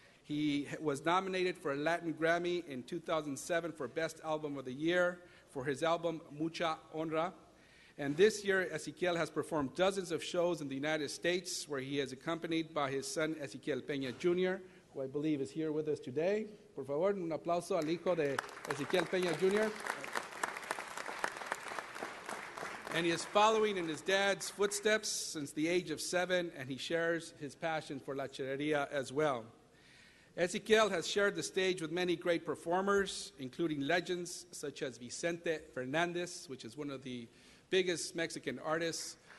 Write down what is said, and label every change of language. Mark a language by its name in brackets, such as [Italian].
[English] He was nominated for a Latin Grammy in 2007 for Best Album of the Year for his album Mucha Honra. And this year, Ezequiel has performed dozens of shows in the United States, where he is accompanied by his son, Ezequiel Peña Jr., who I believe is here with us today. [Spanish] Por favor, un aplauso al hijo de Ezequiel Peña Jr. [English] And he is following in his dad's footsteps since the age of 7, and he shares his passion for La Charrería as well. Ezequiel has shared the stage with many great performers, including legends such as Vicente Fernandez, which is one of the biggest Mexican artists.